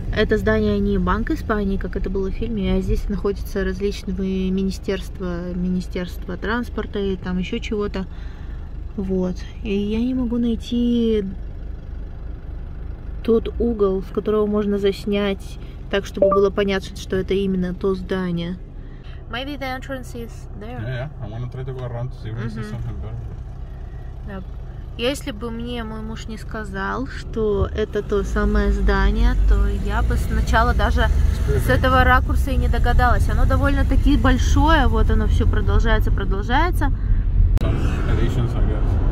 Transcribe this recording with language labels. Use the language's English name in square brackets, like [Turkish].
[Russian] Это здание не Банк Испании, как это было в фильме, а здесь находятся различные министерства, министерство транспорта и там еще чего-то. Вот. И я не могу найти тот угол, с которого можно заснять так, чтобы было понятно, что это именно то здание. [English] Maybe the entrance is there. Yeah, I want to try to go around to see if I see something better. Yep. [Russian] Если бы мне мой муж не сказал, что это то самое здание, то я бы сначала даже с этого ракурса и не догадалась. Оно довольно-таки большое, вот оно все продолжается. [English] Additions, I guess.